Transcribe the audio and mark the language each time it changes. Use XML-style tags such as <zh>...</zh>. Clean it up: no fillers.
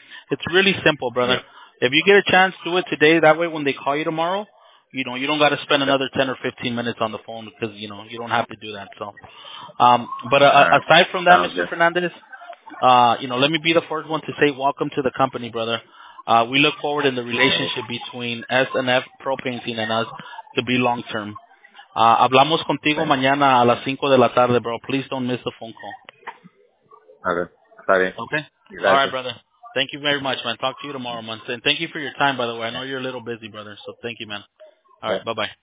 <en>It's really simple, brother. If you get a chance, do it today. That way, when they call you tomorrow, you know, you don't got to spend another 10 or 15 minutes on the phone because, you know, you don't have to do that. So, aside from that, Mr. Fernandez, you know, let me be the first one to say welcome to the company, brother. We look forward in the relationship between S&F Pro Painting and us to be long-term.</en> <es>Hablamos contigo mañana a las 5 de la tarde, bro.</es> <en>Please don't miss the phone call. Okay. All right, brother. Thank you very much, man. Talk to you tomorrow, man. And thank you for your time, by the way. I know you're a little busy, brother. So thank you, man. All right. Bye-bye.</en>